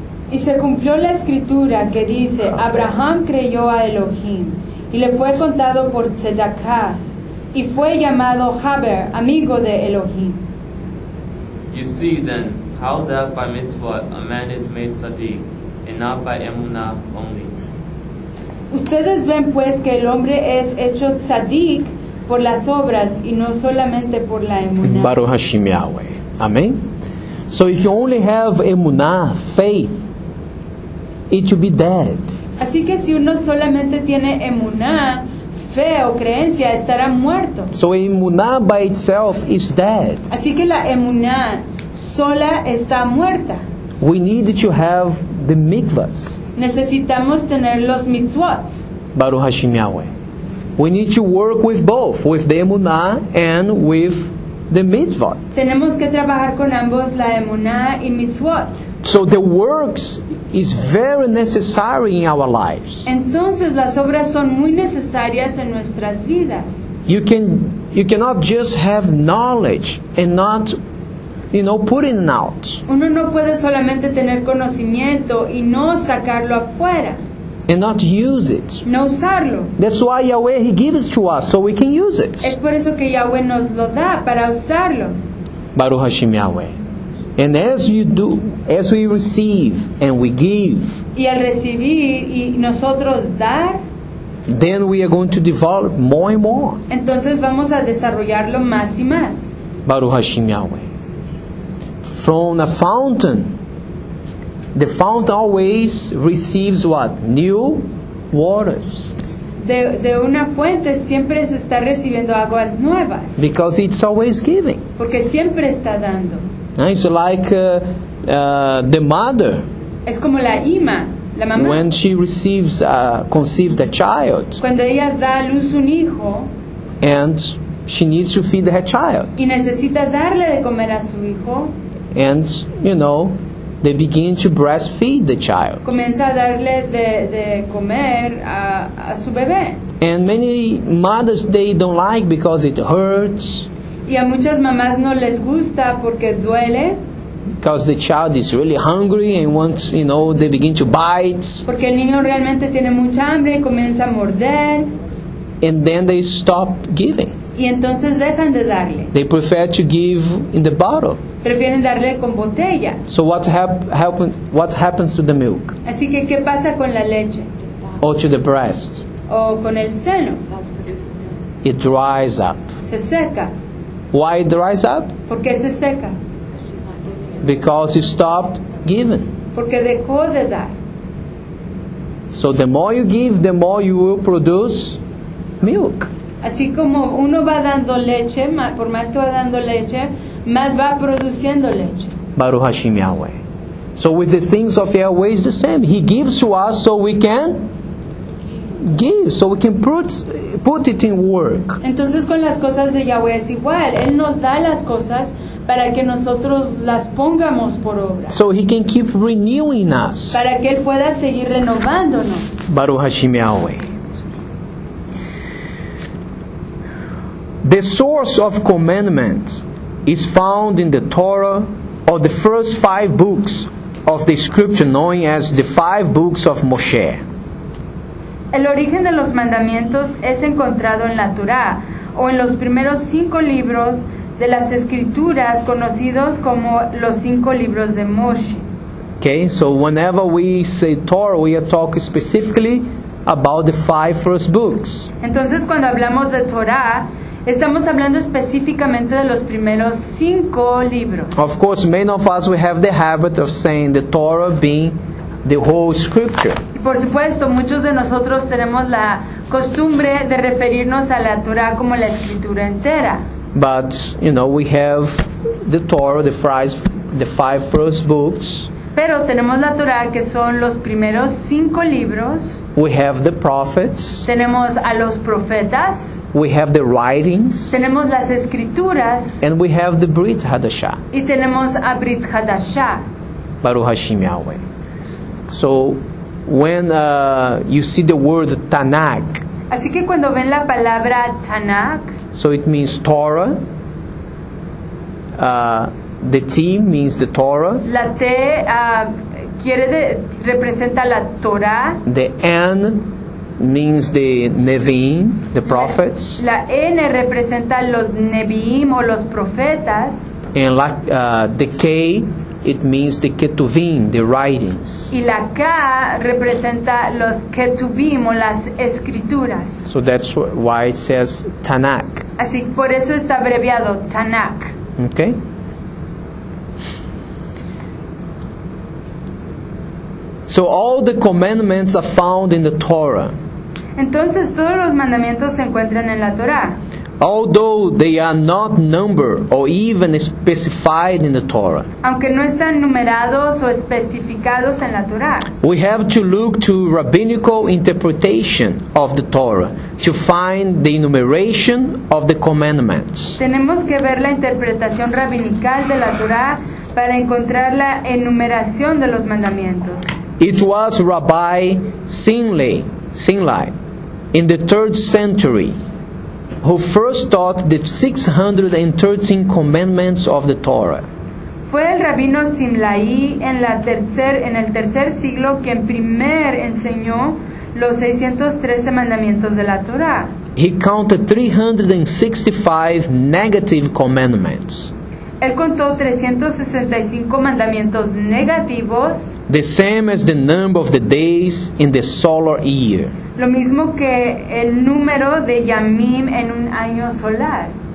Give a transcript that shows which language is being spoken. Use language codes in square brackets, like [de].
[es] Y se cumplió la escritura que dice, Abraham creyó a Elohim, y le fue contado por tzedakah, y fue llamado Haber, amigo de Elohim. [en] You see then, how that by mitzvot a man is made tzaddik, and not by emunah only. [es] Ustedes ven pues que el hombre es hecho tzaddik por las obras y no solamente por la emunah. [he] Baruch Hashem Yahweh. [en] Amen. So if you only have emunah, faith, it will be dead. [es] Así que si uno solamente tiene emunah, fe o creencia, estará muerto. [en] So emunah by itself is dead. [es] Así que la emunah sola está muerta. [en] We need to have the mikvahs. [es] Necesitamos tener los mitzvot. [he] Baruch Hashem Yahweh. [en] We need to work with both, with the emunah and with the mitzvot. [es] Tenemos que trabajar con ambos, la emuná y mitzvot. [en] So the works is very necessary in our lives. [es] Entonces las obras son muy necesarias en nuestras vidas. [en] You cannot just have knowledge and not, you know, putting it out. [es] Uno no puede solamente tener conocimiento y no sacarlo afuera. [en] And not use it. [es] No usarlo. [en] That's why Yahweh, he gives to us so we can use it. [es] Es por eso que Yahweh nos lo da, para usarlo. [he] Baruch Hashem Yahweh. [en] And as you do, as we receive and we give, [es] y al recibir y nosotros dar, [en] then we are going to develop more and more. [es] Entonces vamos a desarrollarlo más y más. [he] Baruch Hashem Yahweh. [en] From a fountain, the fountain always receives what? New waters. [es] De una fuente siempre se está recibiendo aguas nuevas. [en] Because it's always giving. [es] Porque siempre está dando. [en] And it's like the mother. [es] Es como la ima, la mamá. [en] When she receives, conceived a child. [es] Cuando ella da a luz un hijo. [en] And she needs to feed her child. [es] Y necesita darle de comer a su hijo. [en] And, you know, they begin to breastfeed the child. [es] Comienza a darle de comer a su bebé. [en] And many mothers, they don't like because it hurts. [es] Y a muchas mamás no les gusta porque duele. [en] Because the child is really hungry and wants, you know, they begin to bite. [es] Porque el niño realmente tiene mucha hambre y comienza a morder. [en] And then they stop giving. [es] Y entonces dejan de darle. [en] They prefer to give in the bottle. [es] Prefieren darle con botella. [en] So what happens to the milk? [es] Así que, ¿qué pasa con la leche? [en] Or to the breast. [es] O con el seno. [en] It dries up. [es] Se seca. [en] Why it dries up? [es] Porque se seca. [en] Because you stopped giving. [es] Porque dejó de dar. [en] So the more you give, the more you will produce milk. [es] Así como uno va dando leche, por más que va dando leche, más va produciendo leche. [he] Baruch Hashem Yahweh. [en] So with the things of Yahweh is the same. He gives to us so we can give, so we can put it in work. [es] Entonces con las cosas de Yahweh es igual. Él nos da las cosas para que nosotros las pongamos por obra. [en] So he can keep renewing us. [es] Para que Él pueda seguir renovándonos. [he] Baruch Hashem Yahweh. [en] The source of commandments is found in the Torah, or the first five books of the scripture, known as the five books of Moshe. [es] El origen de los mandamientos es encontrado en la Torá, o en los primeros cinco libros de las escrituras, conocidos como los cinco libros de Moshe. [en] Okay, so whenever we say Torah, we are talking specifically about the five first books. [es] Entonces, cuando hablamos de Torá, estamos hablando específicamente de los primeros cinco libros. [en] Of course, many of us, we have the habit of saying the Torah being the whole scripture. [es] Y por supuesto, muchos de nosotros tenemos la costumbre de referirnos a la Torah como la escritura entera. [en] But, you know, we have the Torah, the five first books. [es] Pero tenemos la Torah, que son los primeros cinco libros. [en] We have the prophets. [es] Tenemos a los profetas. [en] We have the writings. [es] Tenemos las escrituras. [en] And we have the Brit Hadashah. [es] Y tenemos a Brit Hadashah. [he] Baruch Hashem Yahweh. [en] So, when you see the word Tanakh. [es] Así que cuando ven la palabra Tanakh. [en] So it means Torah. The T means the Torah. [es] La T representa la Torah. [en] The N means the Nevi'im, the prophets. [es] La N representa los Nevi'im o los profetas. [en] And the K, it means the Ketuvim, the writings. [es] Y la K representa los Ketuvim o las escrituras. [en] So that's why it says Tanakh. [es] Así, por eso está abreviado Tanakh. [en] Okay. So all the commandments are found in the Torah. [es] Entonces todos los mandamientos se encuentran en la Torah. [en] although they are not numbered or even specified in the Torah. [es] Aunque no están numerados o especificados en la Torah. [en] We have to look to rabbinical interpretation of the Torah to find the enumeration of the commandments. [es] Tenemos que ver la interpretación rabinical de la Torah para encontrar la enumeración de los mandamientos. [en] It was Rabbi Sinlai in the 3rd century who first taught the 613 commandments of the Torah. [es] Fue el rabino Simlai en el tercer siglo quien primer enseñó los 613 mandamientos de la Torah. [en] He counted 365 negative commandments. [es] Él contó 365 mandamientos negativos. [en] The same as the number of the days in the solar year. [es] Lo mismo que el número de yamim en un año solar.